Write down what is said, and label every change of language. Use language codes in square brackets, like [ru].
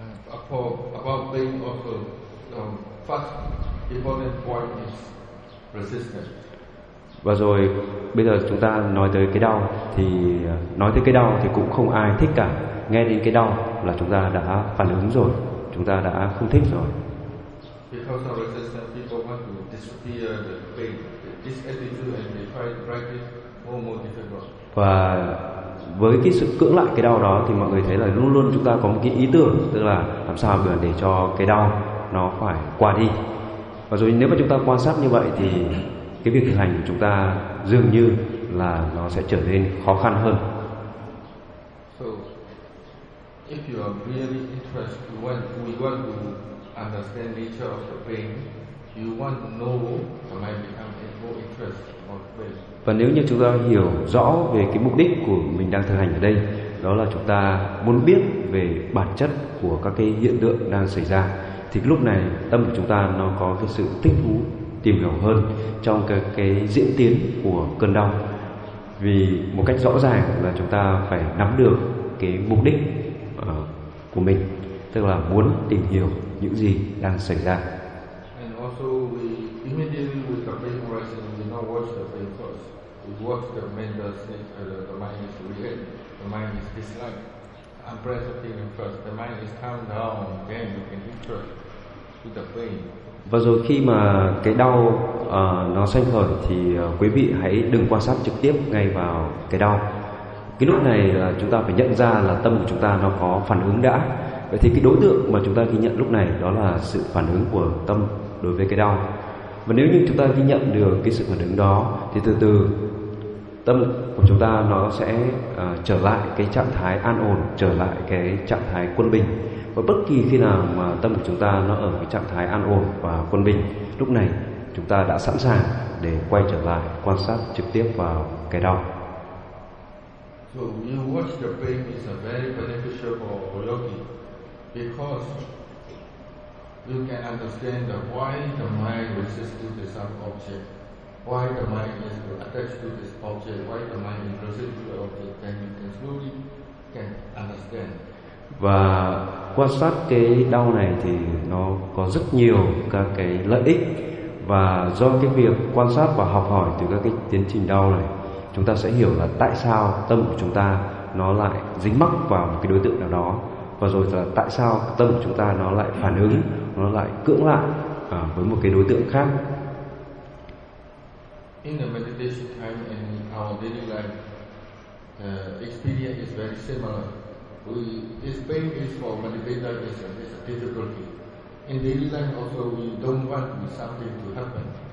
[en] About being also first important point is resistance. [vi] Và rồi bây giờ chúng ta nói tới cái đau, thì nói tới cái đau thì cũng không ai thích cả. Nghe đến cái đau là chúng ta đã phản ứng rồi, chúng ta đã không thích rồi. [en] Because of resistance, people want to disappear the pain, this attitude, and they try to break it more and more difficult. [vi] Và với cái sự cưỡng lại cái đau đó thì mọi người thấy là luôn luôn chúng ta có một cái ý tưởng, tức là làm sao để cho cái đau nó phải qua đi. Và rồi nếu mà chúng ta quan sát như vậy thì cái việc thực hành của chúng ta dường như là nó sẽ trở nên khó khăn hơn. [en] So, if you are really interested, we want to understand nature of the pain, you want to know the mind become more interested of pain. [vi] Và nếu như chúng ta hiểu rõ về cái mục đích của mình đang thực hành ở đây, đó là chúng ta muốn biết về bản chất của các cái hiện tượng đang xảy ra, thì lúc này tâm của chúng ta nó có cái sự thích thú tìm hiểu hơn trong cái diễn tiến của cơn đau. Vì một cách rõ ràng là chúng ta phải nắm được cái mục đích của mình, tức là muốn tìm hiểu những gì đang xảy ra. [en] And also we immediately with the pain arising, we not watch the pain first. We watch the mental state, the mind is react, the mind is dislike. Unpleasant feeling first, the mind is calm down, then you can interact with the pain. [vi] Và rồi khi mà cái đau nó sanh khởi thì quý vị hãy đừng quan sát trực tiếp ngay vào cái đau. Cái lúc này là chúng ta phải nhận ra là tâm của chúng ta nó có phản ứng đã. Vậy thì cái đối tượng mà chúng ta ghi nhận lúc này đó là sự phản ứng của tâm đối với cái đau. Và nếu như chúng ta ghi nhận được cái sự phản ứng đó thì từ từ tâm của chúng ta nó sẽ trở lại cái trạng thái an ổn, trở lại cái trạng thái quân bình. Và bất kỳ khi nào mà tâm của chúng ta nó ở cái trạng thái an ổn và quân bình, lúc này chúng ta đã sẵn sàng để quay trở lại quan sát trực tiếp vào cái đau. [en] So you watch the pain is a very beneficial for yogi, because you can understand the why the mind resists to some object, why the mind is attached to this object, why the mind is resisting to the object, then you can slowly can understand. [vi] Và quan sát cái đau này thì nó có rất nhiều các cái lợi ích. Và do cái việc quan sát và học hỏi từ các cái tiến trình đau này, chúng ta sẽ hiểu là tại sao tâm của chúng ta nó lại dính mắc vào một cái đối tượng nào đó, và rồi là tại sao tâm của chúng ta nó lại phản ứng, nó lại cưỡng lại với một cái đối tượng khác. [en] In the meditation time and in our daily life, experience is very similar. This pain is for meditator, it's a difficulty. In daily life also, we don't want something to happen.